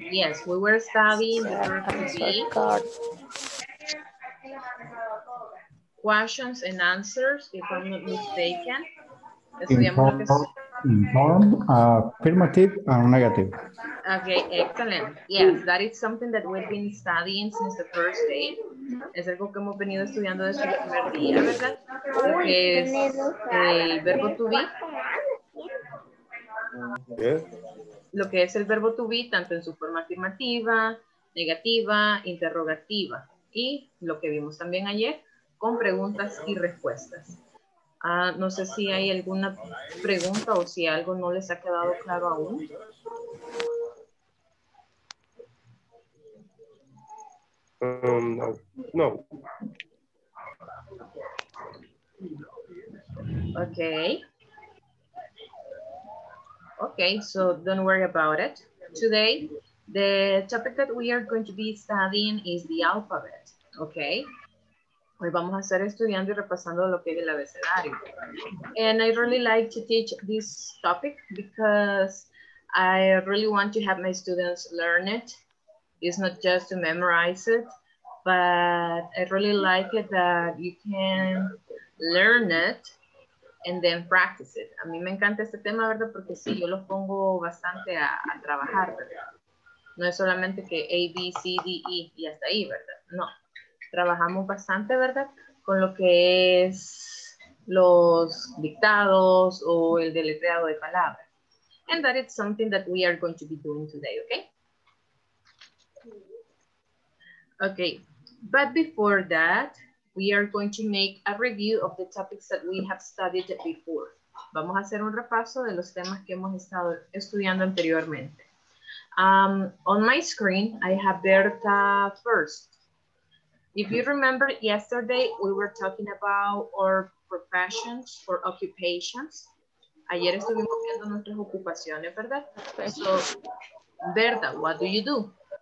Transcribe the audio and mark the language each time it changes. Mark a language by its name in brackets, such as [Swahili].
[English] Yes, we were studying the part questions and answers, if I'm not mistaken. Inform, affirmative and negative. Okay, excellent. Yes, that is something that we've been studying since the first day. [Spanish] Es algo que hemos venido estudiando desde el primer día, ¿verdad? Que es el verbo to be. [English] Yes. [Spanish] Lo que es el verbo to be, tanto en su forma afirmativa, negativa, interrogativa. Y lo que vimos también ayer, con preguntas y respuestas. No sé si hay alguna pregunta o si algo no les ha quedado claro aún. No. [English] Okay. Okay, so don't worry about it. Today, the topic that we are going to be studying is the alphabet, okay? Hoy vamos a estar estudiando y repasando lo que es el abecedario. And I really like to teach this topic because I really want to have my students learn it. It's not just to memorize it, but I really like it that you can learn it and then practice it. [Spanish] A mí me encanta este tema, ¿verdad? Porque sí, yo los pongo bastante a trabajar, ¿verdad? No es solamente que A, B, C, D, E y hasta ahí, ¿verdad? No. Trabajamos bastante, ¿verdad? Con lo que es los dictados o el deletreado de palabras. [English] And that is something that we are going to be doing today, okay? Okay, but before that, we are going to make a review of the topics that we have studied before. [Spanish] Vamos a hacer un repaso de los temas que hemos estado estudiando anteriormente. [English] On my screen, I have Berta first. If you remember yesterday, we were talking about our professions or occupations. [Spanish] Ayer estuvimos viendo nuestras ocupaciones, ¿verdad? [English] So, Berta, what do you do?